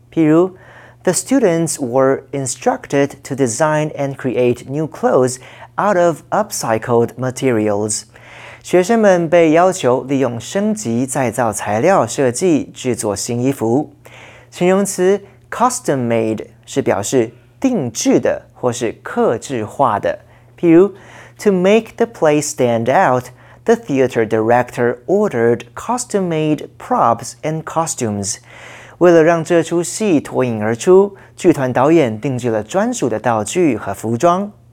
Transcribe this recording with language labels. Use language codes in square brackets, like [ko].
[zh] 譬如 [en] ，The students were instructed to design and create new clothes out of upcycled materials. [zh] 学生们被要求利用升级再造材料设计制作新衣服。形容词 custom made 是表示定制的或是客制化的。譬如 [en] ,to make the play stand out, the theater director ordered custom made props and costumes. [zh] 为了让这出戏脱颖而出，剧团导演定制了专属的道具和服装。